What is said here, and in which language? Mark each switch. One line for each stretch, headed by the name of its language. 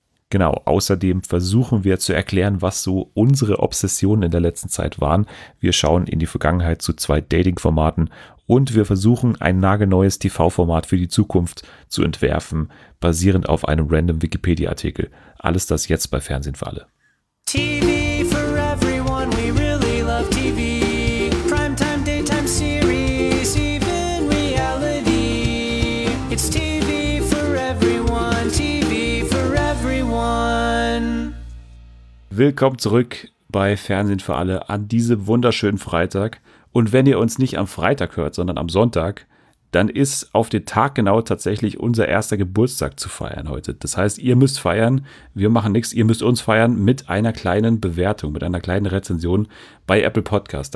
German: Genau, außerdem versuchen wir zu erklären, was so unsere Obsessionen in der letzten Zeit waren. Wir schauen in die Vergangenheit zu 2 Dating-Formaten und wir versuchen, ein nagelneues TV-Format für die Zukunft zu entwerfen, basierend auf einem random Wikipedia-Artikel. Alles das jetzt bei Fernsehen für alle.
English: TV for everyone, we really love TV. Primetime, daytime series, even reality. It's TV for everyone, TV for everyone.
German: Willkommen zurück bei Fernsehen für alle an diesem wunderschönen Freitag. Und wenn ihr uns nicht am Freitag hört, sondern am Sonntag, dann ist auf den Tag genau tatsächlich unser erster Geburtstag zu feiern heute. Das heißt, ihr müsst feiern, wir machen nichts, ihr müsst uns feiern mit einer kleinen Bewertung, mit einer kleinen Rezension bei Apple Podcast.